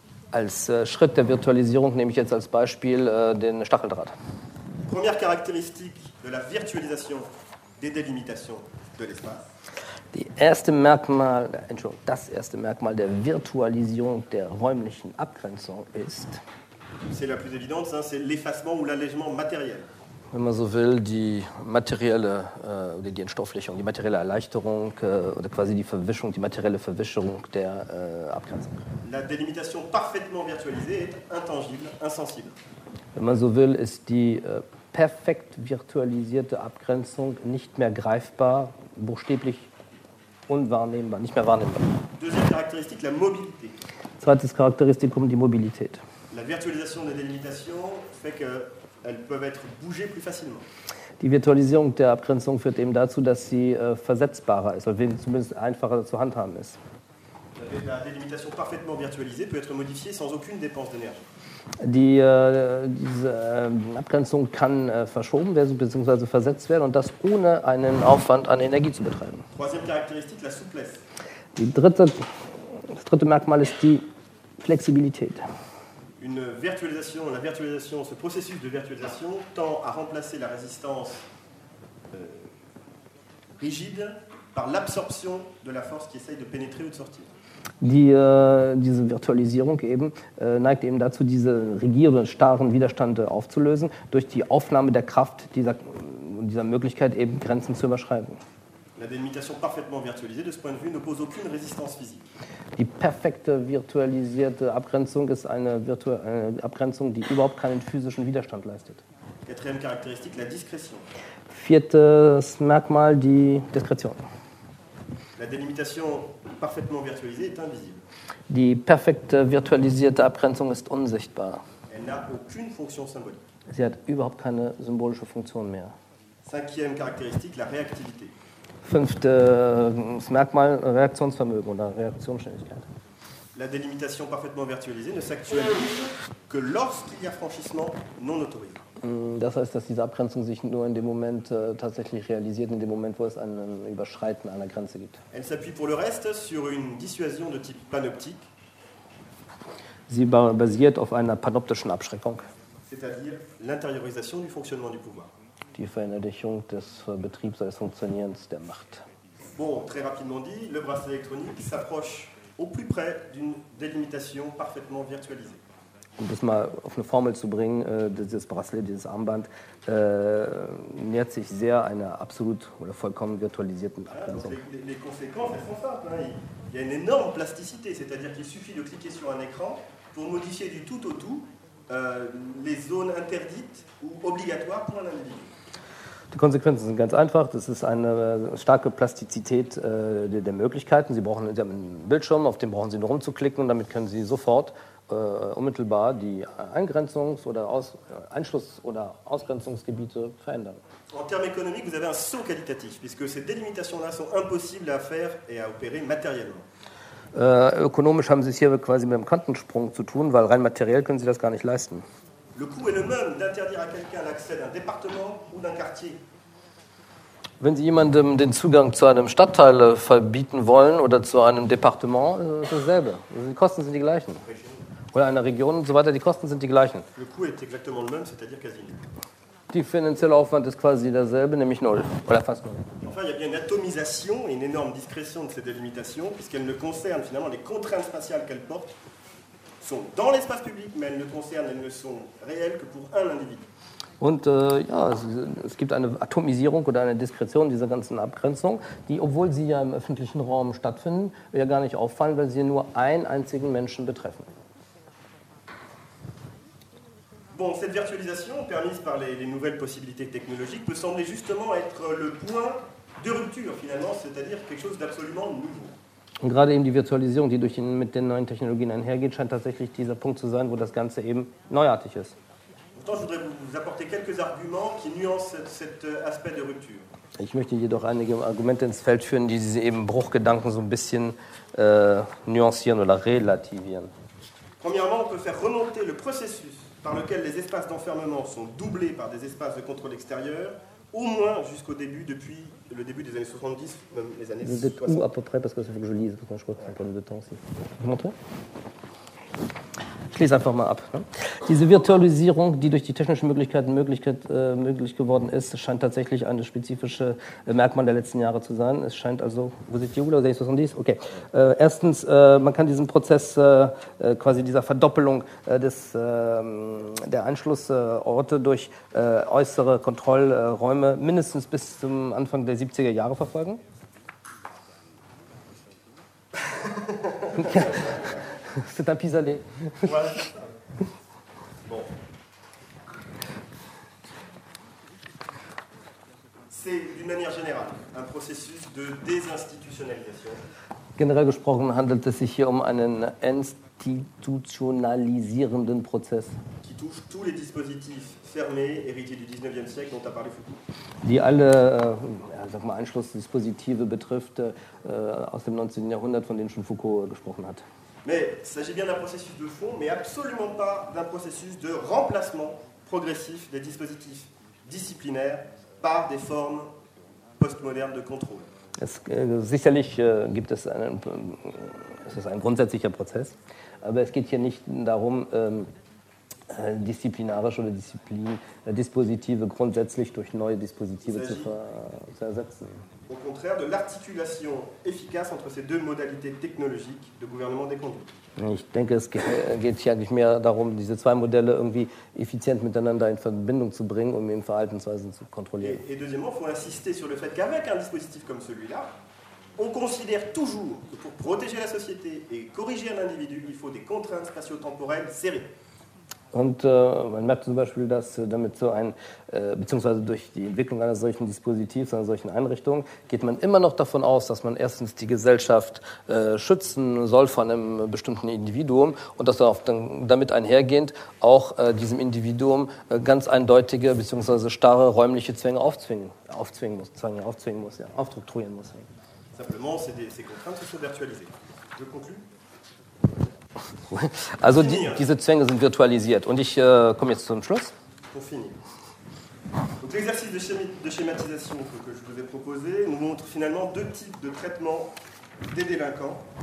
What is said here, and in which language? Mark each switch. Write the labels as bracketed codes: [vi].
[de] Als Schritt der Virtualisierung nehme ich jetzt als Beispiel den Stacheldraht. [fr] Première caractéristique de la virtualisation. Des délimitations de l'espace. [de] Das erste Merkmal der Virtualisierung der räumlichen Abgrenzung ist. [fr] C'est la plus évidente, hein, c'est l'effacement ou l'allègement matériel. [de] Wenn man so will, die materielle oder die Entstofflichung, die materielle Erleichterung oder quasi die Verwischung, die materielle Verwischung der Abgrenzung. [fr] La délimitation parfaitement virtualisée est intangible, insensible. [de] Wenn man so will, ist die perfekt virtualisierte Abgrenzung nicht mehr greifbar, buchstäblich unwahrnehmbar, nicht mehr wahrnehmbar. [fr] Deuxième caractéristique, la mobilité. [de] Zweites Charakteristikum, die Mobilität. [fr] La virtualisation des délimitations fait que elles peuvent être bougées plus facilement. [de] Die Virtualisierung der Abgrenzung führt eben dazu, dass sie versetzbarer ist, oder zumindest einfacher zu handhaben ist. [fr] La délimitation parfaitement virtualisée peut être modifiée sans aucune dépense d'énergie. [de] Diese Abgrenzung kann verschoben werden bzw. versetzt werden und das ohne einen Aufwand an Energie zu betreiben. [fr] Troisième caractéristique, la souplesse. [de] Das dritte Merkmal ist die Flexibilität. [fr] Ce processus de virtualisation tend à remplacer la résistance rigide par l'absorption de la force qui essaye de pénétrer ou de sortir. [de] Diese Virtualisierung eben neigt eben dazu, diese rigiden, starren Widerstand aufzulösen, durch die Aufnahme der Kraft dieser Möglichkeit, eben Grenzen zu überschreiten. [fr] La délimitation parfaitement virtualisée, de ce point de vue, n'oppose aucune résistance physique. [de] Die perfekte virtualisierte Abgrenzung ist eine Abgrenzung, die überhaupt keinen physischen Widerstand leistet. [fr] Quatrième caractéristique, la discrétion. [de] Viertes Merkmal, die Diskretion. [fr] La délimitation parfaitement virtualisée est invisible. [de] Die perfekte virtualisierte Abgrenzung ist unsichtbar. [fr] Elle n'a aucune fonction symbolique. [de] Sie hat überhaupt keine symbolische Funktion mehr. [fr] Cinquième caractéristique, la réactivité. [de] Fünftes Merkmal, Reaktionsvermögen oder Reaktionsschnelligkeit. [fr] La délimitation parfaitement virtualisée ne s'actualise que lorsqu'il y a franchissement non autorisé. [de] Das heißt, dass diese Abgrenzung sich nur in dem Moment tatsächlich realisiert, in dem Moment, wo es ein Überschreiten einer Grenze gibt. [fr] Elle s'appuie pour le reste sur une dissuasion de type panoptique. [de] Sie basiert auf einer panoptischen Abschreckung. [fr] C'est-à-dire l'intériorisation du fonctionnement du pouvoir. [de] Die Verinnerlichung des Betriebs als Funktionierens der Macht. [fr] Bon, très rapidement dit, le bracelet électronique s'approche au plus près d'une délimitation parfaitement virtualisée. [de] Um das mal auf eine Formel zu bringen, dieses Bracelet, dieses Armband, nähert sich sehr einer absolut oder vollkommen virtualisierten Abgrenzung. [fr] Les conséquences, elles sont simples. Il y a une énorme plasticité, c'est-à-dire qu'il suffit de cliquer sur un écran pour modifier du tout au tout les zones interdites ou obligatoires pour un individu. [de] Die Konsequenzen sind ganz einfach. Das ist eine starke Plastizität der Möglichkeiten. Sie haben einen Bildschirm, auf dem brauchen Sie nur rumzuklicken und damit können Sie sofort unmittelbar die Eingrenzungs- oder Einschluss- oder Ausgrenzungsgebiete verändern. [fr] En termes économiques, vous avez un saut qualitatif, puisque ces délimitations-là sont impossibles à faire et à opérer matériellement. [de] Ökonomisch haben Sie es hier quasi mit einem Quantensprung zu tun, weil rein materiell können Sie das gar nicht leisten. [fr] Le coût est le même d'interdire à quelqu'un l'accès d'un département ou d'un quartier. [de] Wenn Sie jemandem den Zugang zu einem Stadtteil verbieten wollen oder zu einem Département, ist es dasselbe. Also die Kosten sind die gleichen. Oder einer Region und so weiter, die Kosten sind die gleichen. [fr] Le coût est exactement le même, c'est-à-dire quasi nul. [de] Die finanzielle Aufwand ist quasi derselbe, nämlich null. Oder fast null. [fr] Enfin, il y a bien une atomisation et une énorme discrétion de ces délimitations, puisqu'elles ne concernent finalement les contraintes spatiales qu'elles portent, sont dans l'espace public, mais elles ne concernent, elles ne sont réelles que pour un individu. [de] Und es gibt eine Atomisierung oder eine Diskretion dieser ganzen Abgrenzung, die, obwohl sie ja im öffentlichen Raum stattfinden, ja gar nicht auffallen, weil sie nur einen einzigen Menschen betreffen. [fr] Bon, cette virtualisation, permise par les nouvelles possibilités technologiques, peut sembler justement être le point de rupture, finalement, c'est-à-dire quelque chose d'absolument nouveau. [de] Und gerade eben die Virtualisierung, die mit den neuen Technologien einhergeht, scheint tatsächlich dieser Punkt zu sein, wo das Ganze eben neuartig ist. [fr] Pourtant, je voudrais vous apporter quelques arguments qui nuancent cet aspect de rupture. [de] Ich möchte jedoch einige Argumente ins Feld führen, die diese eben Bruchgedanken so ein bisschen nuancieren oder relativieren. [fr] Premièrement, on peut faire remonter le processus par lequel les espaces d'enfermement sont doublés par des espaces de contrôle extérieur, au moins jusqu'au début, depuis le début des années 70, même les années 60. Vous êtes où à peu près, parce que ça faut que je lise, parce que je crois que c'est un problème de temps aussi. Vous montrez ? [de] Ich lese einfach mal ab. Diese Virtualisierung, die durch die technischen Möglichkeiten möglich geworden ist, scheint tatsächlich ein spezifisches Merkmal der letzten Jahre zu sein. Es scheint also, wo sind die oder sehe ich das und dies? Okay. Erstens, man kann diesen Prozess quasi dieser Verdoppelung der Einschlussorte durch äußere Kontrollräume mindestens bis zum Anfang der 70er Jahre verfolgen. [fr] C'est un pis-aller. Bon. C'est d'une manière générale un processus de désinstitutionnalisation. [de] Generell gesprochen handelt es sich hier um einen institutionalisierenden Prozess. [fr] Qui touche tous les dispositifs fermés hérités du 19e siècle dont a parlé Foucault. [de] Die alle Einschlussdispositive betrifft aus dem 19. Jahrhundert, von denen schon Foucault gesprochen hat. [fr] Mais il s'agit bien d'un processus de fond, mais absolument pas d'un processus de remplacement progressif des dispositifs disciplinaires par des formes postmodernes de contrôle. [de] Es, sicherlich gibt es einen, es ist ein grundsätzlicher Prozess, aber es geht hier nicht darum, disziplinarische oder Dispositive grundsätzlich durch neue Dispositive zu ersetzen. [fr] Au contraire, de l'articulation efficace entre ces deux modalités technologiques de gouvernement des conduites. [de] Ich denke, es geht hier eigentlich mehr darum, diese zwei Modelle irgendwie effizient miteinander in Verbindung zu bringen, um eben Verhaltensweisen zu kontrollieren. [fr] Et deuxièmement, il faut insister sur le fait qu'avec un dispositif comme celui-là, on considère toujours que pour protéger la société et corriger un individu, il faut des contraintes spatio-temporelles serrées. [de] Und man merkt zum Beispiel, dass damit so ein, beziehungsweise durch die Entwicklung eines solchen Dispositivs, einer solchen Einrichtung, geht man immer noch davon aus, dass man erstens die Gesellschaft schützen soll von einem bestimmten Individuum und dass dann auch damit einhergehend auch diesem Individuum ganz eindeutige, beziehungsweise starre räumliche Zwänge aufdruktrieren muss. [fr] Simplement, c'est contraint, c'est virtualisé. Je conclue. [de] Also diese Zwänge sind virtualisiert. Und ich komme jetzt zum Schluss. [fr] Pour finir. Donc l'exercice de schématisation que je vous ai proposé nous montre finalement deux types de traitement des délinquants.